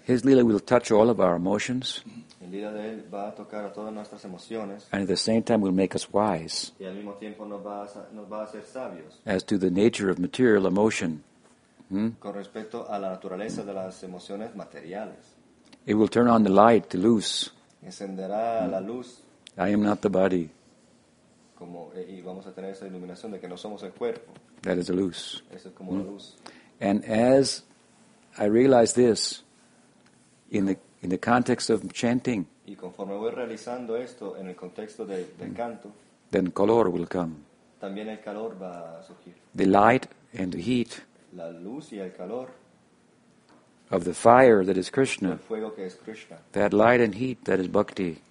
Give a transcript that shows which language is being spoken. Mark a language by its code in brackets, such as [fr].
[en] His lila will touch all of our emotions. [es] El lila de él va a tocar a todas nuestras emociones. [en] And at the same time will make us wise. [es] Y al mismo tiempo nos va a hacer sabios. [en] As to the nature of material emotion. [es] Con respecto a la naturaleza de las emociones materiales. [en] It will turn on the light, the luz. [es] Encenderá la luz. [en] I am not the body. [es] Como, y vamos a tener esa iluminación de que no somos el cuerpo. [en] That is the luz. [es] Eso es como la luz. [en] And as I realize this in the context of chanting. [es] Y conforme voy realizando esto en el contexto del canto. [en] Then color will come. [es] También el calor va a surgir. [en] The light and the heat. [es] La luz y el calor [en] of the fire that is Krishna, [es] el fuego que es Krishna, [en] that light and heat that is bhakti,